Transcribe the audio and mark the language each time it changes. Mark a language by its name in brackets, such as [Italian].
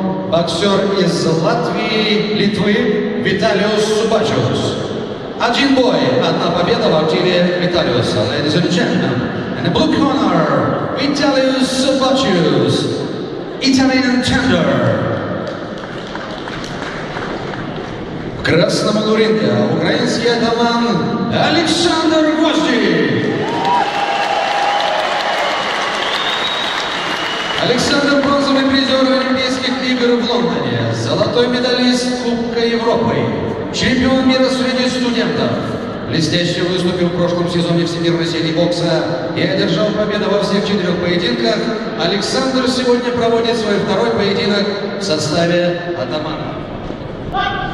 [Russian] Боксер из Латвии, Литвы, Виталиус Субачус. Один бой, одна победа в активе Виталиуса. [English] Ladies and gentlemen, in the blue corner, Виталиус Субачус, Italian Tender. [Russian] В красном углу ринга украинский атаман Александр Гвоздин. Александр бронзовый призер Олимпийских игр в Лондоне, золотой медалист Кубка Европы, чемпион мира среди студентов, блестяще выступил в прошлом сезоне всемирной серии бокса и одержал победу во всех четырех поединках, Александр сегодня проводит свой второй поединок в составе атамана.